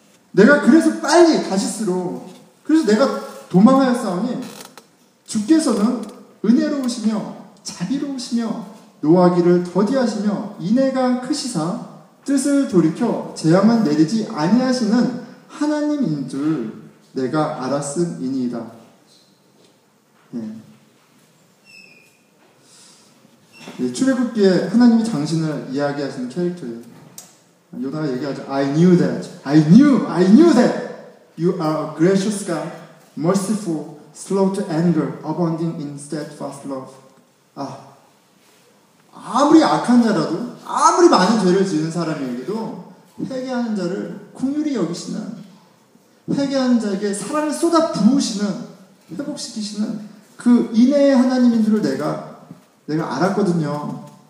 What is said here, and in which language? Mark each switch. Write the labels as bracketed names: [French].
[Korean] 내가 그래서 빨리 다시스로 그래서 내가 도망하였사오니 주께서는 은혜로우시며 자비로우시며 노하기를 더디하시며 인애가 크시사 뜻을 돌이켜 재앙은 내리지 아니하시는 하나님인 줄 내가 알았음이니이다. 네. 출애굽기에 하나님이 당신을 이야기하시는 캐릭터예요. 요나가 얘기하죠. [English] I knew that. I knew that. You are a gracious God, merciful, slow to anger, abounding in steadfast love. [Korean] 아, 아무리 악한 자라도, 아무리 많은 죄를 지은 사람에게도 회개하는 자를 긍휼히 여기시는, 회개하는 자에게 사랑을 쏟아 부으시는, 회복시키시는 그 인애의 하나님인 줄을 내가 알았거든요.